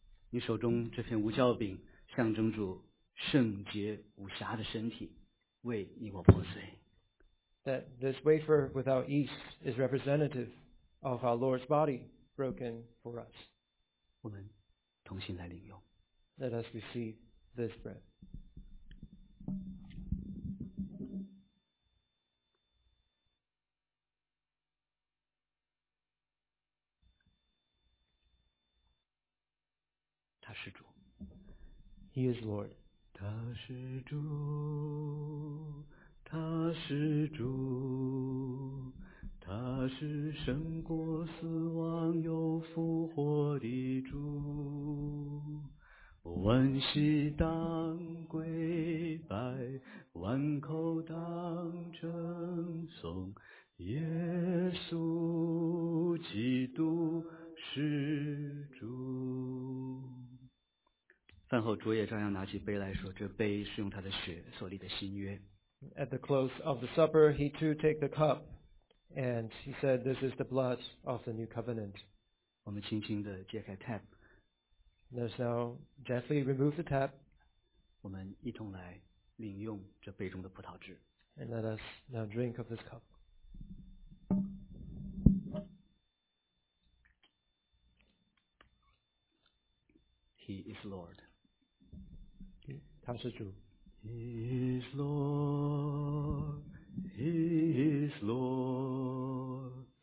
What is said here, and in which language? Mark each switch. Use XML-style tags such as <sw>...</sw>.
<zh>你手中这片无酵饼象征着圣洁无瑕的身体，为你我破碎。</zh> <en>That this wafer without yeast is representative of our Lord's body broken for us.</en> <zh>我们同心来领用。</zh> <en>Let us receive this bread.</en> <zh>他是主。</zh> <en>He is Lord.</en> <zh>他是主。他是主，他是胜过死亡又复活的主，万膝当跪拜，万口当称颂，耶稣基督是主。饭后主也照样拿起杯来说，这杯是用他的血所立的新约。</zh> <en>At the close of the supper, he too took the cup, and he said, "This is the blood of the new covenant."</en> <zh>我们轻轻地揭开 tab.</zh> <en>Let us now gently remove the tab.</en> <zh>我们一同来领用这杯中的葡萄汁。</zh> <en>And let us now drink of this cup.</en> <zh>他是主。</zh> <en>He is Lord.</en>